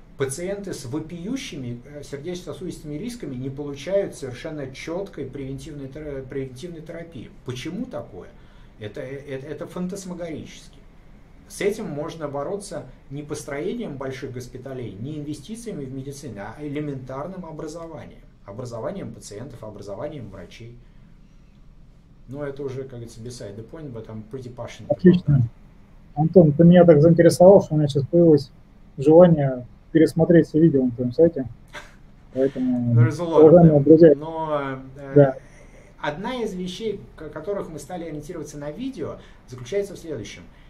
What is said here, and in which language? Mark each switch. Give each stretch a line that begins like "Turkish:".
Russian: Пациенты с вопиющими сердечно-сосудистыми рисками не получают совершенно четкой превентивной терапии. Почему такое? Это фантасмагорически. С этим можно бороться не построением больших госпиталей, не инвестициями в медицину, а элементарным образованием. Образованием пациентов, образованием врачей. Ну, это уже, как говорится,
English: beside the point, but I'm pretty passionate.
Russian: Отлично. Антон, ты меня так заинтересовал, что у меня сейчас появилось желание пересмотреть все видео на твоем сайте. Поэтому, уважаемые друзья. Но да. Одна из вещей, которых мы стали ориентироваться на видео, заключается в следующем.